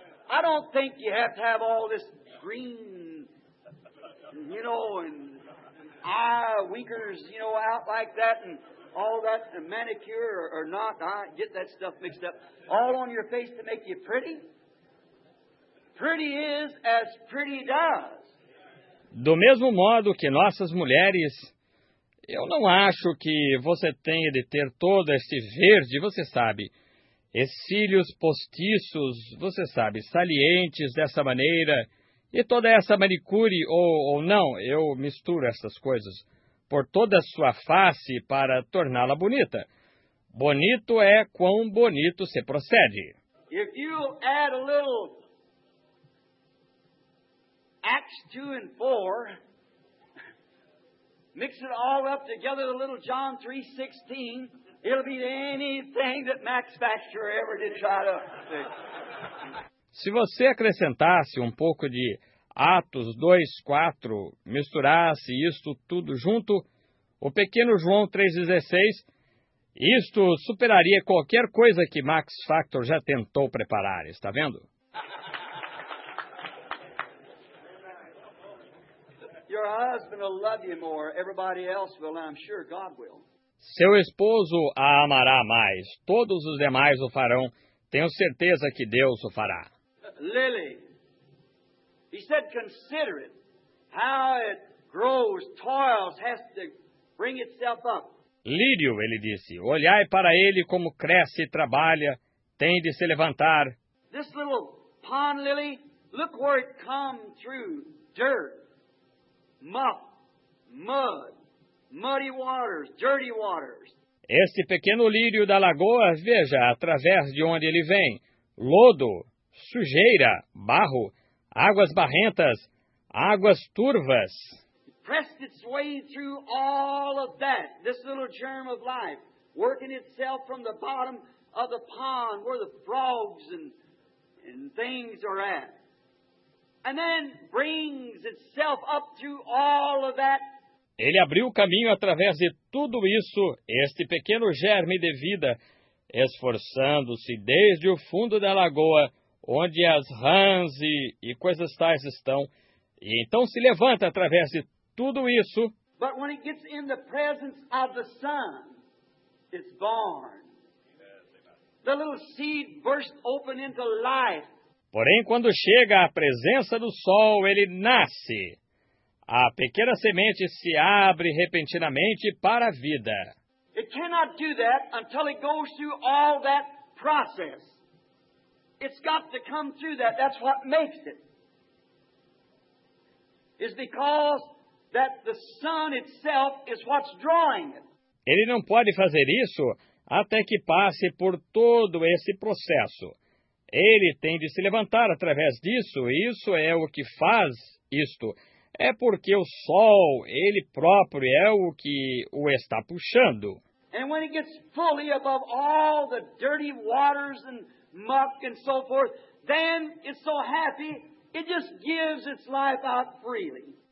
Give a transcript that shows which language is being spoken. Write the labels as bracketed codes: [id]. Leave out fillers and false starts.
[en] I don't think you have to have all this green, you know, and winkers, you know, out like that, and all that, and manicure or not, I get that stuff mixed up, all on your face to make you pretty. Pretty is as pretty does. [pt] Do mesmo modo que nossas mulheres, eu não acho que você tenha de ter todo esse verde, você sabe, esses cílios postiços, você sabe, salientes dessa maneira. E toda essa manicure, ou não, eu misturo essas coisas, por toda a sua face para torná-la bonita. Bonito é quão bonito se procede. [en] If you add a little Acts 2 and 4, mix it all up together with a little John 3:16, it'll be anything that Max Factor ever did try to fix. [pt] Se você acrescentasse um pouco de Atos 2:4, misturasse isto tudo junto, o pequeno João 3:16, isto superaria qualquer coisa que Max Factor já tentou preparar, está vendo? [en] Your husband will love you more. Everybody else will, I'm sure God will. [pt] Seu esposo a amará mais. Todos os demais o farão. Tenho certeza que Deus o fará. [en] Lily, he said, consider it, how it grows, toils, has to bring itself up. [pt] Lírio, ele disse, olhai para ele como cresce e trabalha, tem de se levantar. [en] This little pond lily, look where it come through, dirt, muck, mud, Muddy waters, dirty waters. [pt] Este pequeno lírio da lagoa, veja através de onde ele vem. Lodo, sujeira, barro, águas barrentas, águas turvas. [en] It pressed its way through all of that, this little germ of life, working itself from the bottom of the pond where the frogs and things are at. And then brings itself up through all of that. [pt] Ele abriu caminho através de tudo isso, este pequeno germe de vida, esforçando-se desde o fundo da lagoa, onde as rãs e coisas tais estão, e então se levanta através de tudo isso. [en] But when it gets in the presence of the sun, it's born. The little seed burst open into life. [pt] Porém, quando chega à presença do sol, ele nasce. A pequena semente se abre repentinamente para a vida. [en] It cannot do that until it goes through all that process. It's got to come through that. That's what makes it. It's because that the sun itself is what's drawing it. [pt] Ele não pode fazer isso até que passe por todo esse processo. Ele tem de se levantar através disso. Isso é o que faz isto. É porque o sol, ele próprio, é o que o está puxando. [en] And when it gets fully above all the dirty waters and muck and so forth, then it's so happy, it just gives its life out freely.